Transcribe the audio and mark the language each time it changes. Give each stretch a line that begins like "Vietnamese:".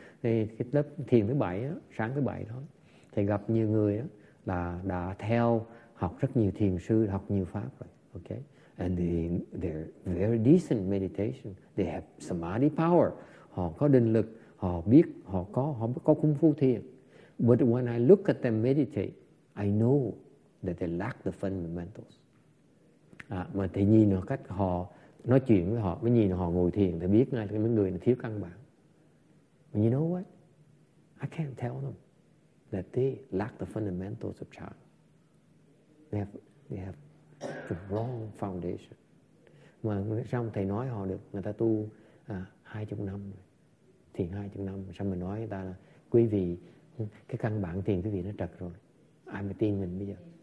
Vietnamese: Thì cái lớp thiền thứ bảy đó, sáng thứ bảy đó, thầy gặp nhiều người đó, là đã theo học rất nhiều thiền sư, học nhiều pháp rồi, okay?
English: And they're very decent meditation. They have samadhi power.
Vietnamese: Họ có định lực, họ biết, họ có kung fu thiền.
English: But when I look at them meditate, I know that they lack the fundamentals.
Vietnamese: À, mà thầy nhìn họ cách họ nói chuyện với họ, mới nhìn họ ngồi thiền, thầy biết ngay cái mấy người này thiếu căn bản.
English: But you know what? I can't tell them that they lack the fundamentals of chan. They have the wrong foundation.
Vietnamese: Mà xong thầy nói họ được, người ta tu 20 năm rồi. Thiền 20 năm, xong mình nói người ta là quý vị, cái căn bản thiền quý vị nó trật rồi. Ai mà tin mình bây giờ?